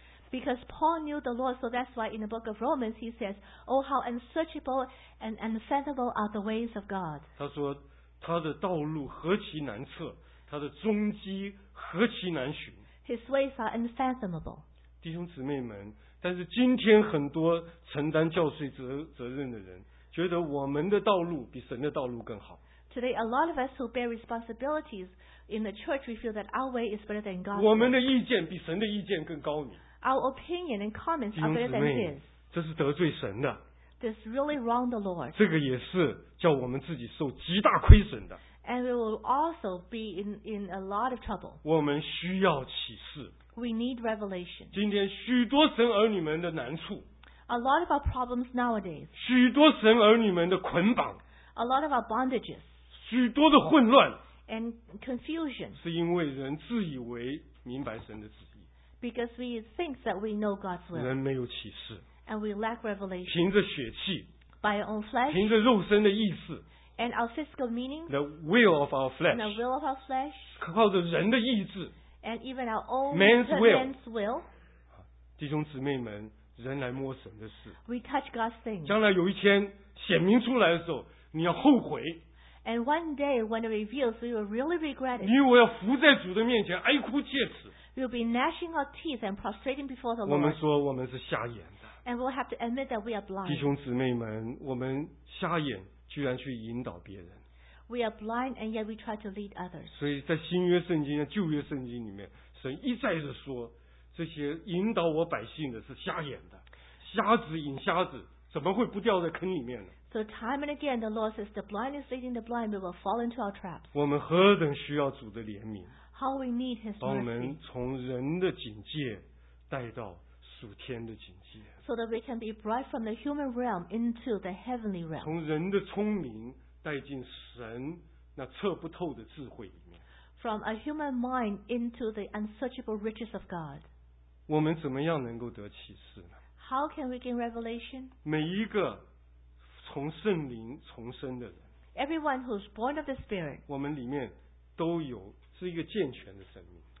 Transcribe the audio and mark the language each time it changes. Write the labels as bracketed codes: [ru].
[en] Because Paul knew the Lord, so that's why in the book of Romans he says, Oh, how unsearchable and unfathomable are the ways of God. [zh] 他说他的道路何其难测，他的踪迹何其难寻。 [en] His ways are unfathomable. [zh] 弟兄姊妹们，但是今天很多承担教会责任的人，觉得我们的道路比神的道路更好。 [en] Today, a lot of us who bear responsibilities in the church, we feel that our way is better than God's. [zh] 我们的意见比神的意见更高明。 [en] Our opinion and comments are better than His. [zh] 这是得罪神的。 [en] This is really wrong the Lord. [zh] 这个也是叫我们自己受极大亏损的。 [en] And we will also be in a lot of trouble. [zh] 我们需要启示。 [en] We need revelation. [zh] 今天许多神儿女们的难处。 [en] A lot of our problems nowadays. [zh] 许多神儿女们的捆绑。 [en] A lot of our bondages. [zh] 许多的混乱。 [en] And confusion. [zh] 是因为人自以为明白神的旨意。 [en] Because we think that we know God's will. [zh] 人没有启示。 [en] And we lack revelation. [zh] 凭着血气。 [en] By our own flesh. [zh] 凭着肉身的意识。 [en] And our physical meaning. The will of our flesh. And the will of our flesh. [zh] 靠着人的意志。 [en] And even our own man's will. Man's will. [zh] 弟兄姊妹们，人来摸神的事。 [en] We touch God's things. [zh] 将来有一天显明出来的时候，你要后悔。 [en] And one day when it reveals, we will really regret it. [zh] 你我要伏在主的面前哀哭切齿。 [en] We'll be gnashing our teeth and prostrating before the Lord. [zh] 我们说我们是瞎眼的。 [en] And we'll have to admit that we are blind. [zh] 弟兄姊妹们，我们瞎眼居然去引导别人。 [en] We are blind and yet we try to lead others. [zh] 所以在新约圣经、旧约圣经里面，神一再的说，这些引导我百姓的是瞎眼的，瞎子引瞎子，怎么会不掉在坑里面呢？ [en] So time and again, the Lord says, "The blind is leading the blind; we will fall into our traps." [zh] 我们何等需要主的怜悯！ [en] How we need His mercy. [zh] 把我们从人的境界带到属天的境界。 [en] So that we can be brought from the human realm into the heavenly realm. [zh] 从人的聪明带进神那测不透的智慧里面。 [en] From a human mind into the unsearchable riches of God. [zh] 我们怎么样能够得启示呢？ [en] How can we gain revelation? [zh] 每一个。从圣灵重生的人， [en] Everyone who's born of the Spirit， [zh] 我们里面都有，是一个健全的生命。